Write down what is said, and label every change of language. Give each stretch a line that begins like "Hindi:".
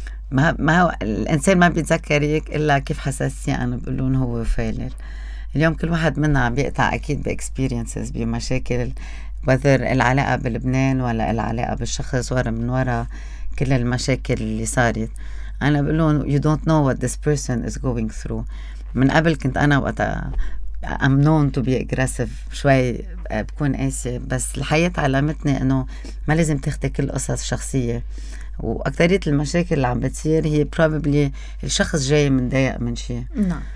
Arabic: ما الانسان ما بيتذكرك الا كيف حساسية انا بقولون هو فايلر. اليوم كل واحد منا عم بيقطع اكيد باكسبيرينسز بمشاكل وذر العلاقه بلبنان ولا العلاقه بالشخص ورا من ورا كل المشاكل اللي صارت. انا بقولون
English: you don't know what this person is going through.
Arabic: من قبل كنت انا وقت
English: I'm known to be aggressive
Arabic: شوي بكون قاسية بس الحياة علمتني انه ما لازم تاخدي كل قصص شخصية واكترية المشاكل اللي عم بتصير هي probably الشخص جاي متضايق من شيء. نعم.